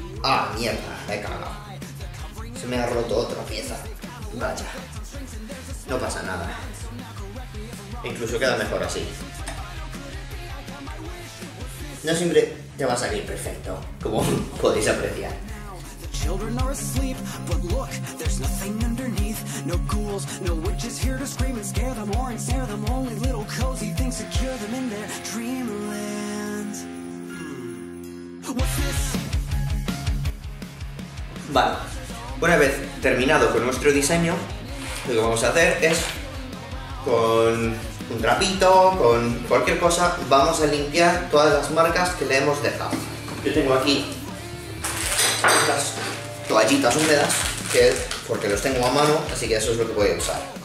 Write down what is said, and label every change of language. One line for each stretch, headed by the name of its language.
Spanish: ¡Ah, mierda! Me he cagado. Se me ha roto otra pieza. Vaya. No pasa nada. Incluso queda mejor así. No siempre te va a salir perfecto, como podéis apreciar.
English: Children are asleep, but look, there's nothing underneath. No ghouls, no witches here to scream and scare them or ensnare them. Only little cozy things secure them in their dreamland. What's this?
Spanish: Vale, una vez terminado con nuestro diseño, lo que vamos a hacer es, con un trapito, con cualquier cosa, vamos a limpiar todas las marcas que le hemos dejado. Yo tengo aquí estas toallitas húmedas, que es porque los tengo a mano, así que eso es lo que voy a usar.